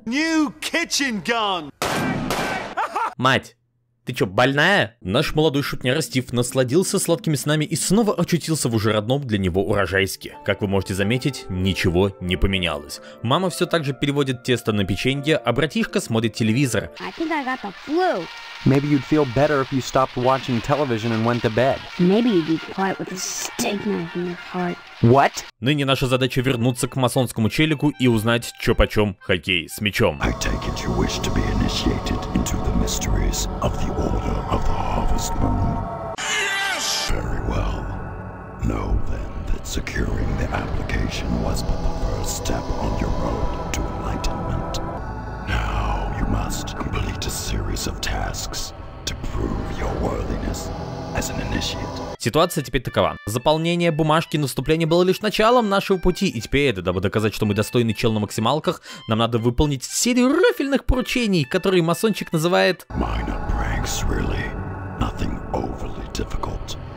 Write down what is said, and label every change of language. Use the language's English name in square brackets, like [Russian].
[English] New Kitchen Gun! [Russian] Мать! Ты чё, больная? Наш молодой шутняра Стив насладился сладкими снами и снова очутился в уже родном для него урожайске. Как вы можете заметить, ничего не поменялось. Мама все так же переводит тесто на печенье, а братишка смотрит телевизор. [English] I think I got the flu. Maybe you'd feel better if you stopped watching television and went to bed. Maybe you'd be quiet with a steak knife in your heart. What? [Russian] Ныне наша задача вернуться к масонскому челику и узнать, чё почём хоккей с мячом. [English] I take it you wish to be initiated into the mysteries of the Order of the Harvest Moon. Yes! Very well. Know then that securing the application was but the first step on your road to enlightenment. Now you must complete a series of tasks to prove your worthiness. [Russian] Ситуация теперь такова. Заполнение бумажки на вступление было лишь началом нашего пути, и теперь, дабы доказать, что мы достойны чел на максималках, нам надо выполнить серию рафельных поручений, которые масончик называет... [English] Minor pranks, really. Nothing overly difficult.